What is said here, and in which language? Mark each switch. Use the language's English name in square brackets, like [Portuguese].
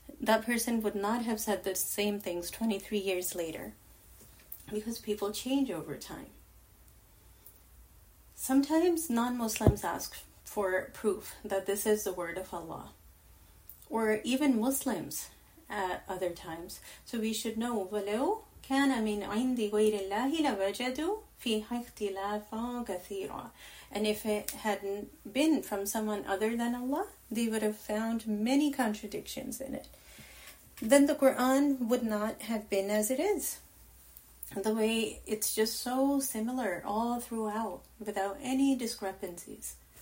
[English] That person would not have said the same things 23 years later. Because people change over time. Sometimes non-Muslims ask for proof that this is the word of Allah. Or even Muslims at other times. [Arabic] So we should know, وَلَوْ كَانَ مِنْ عِنْدِ غَيْرِ اللَّهِ لَوَجَدُوا فِيهَا اخْتِلَافًا كَثِيرًا. [English] And if it hadn't been from someone other than Allah, they would have found many contradictions in it. Then the Quran would not have been as it is. The way it's just so similar all throughout, without any discrepancies.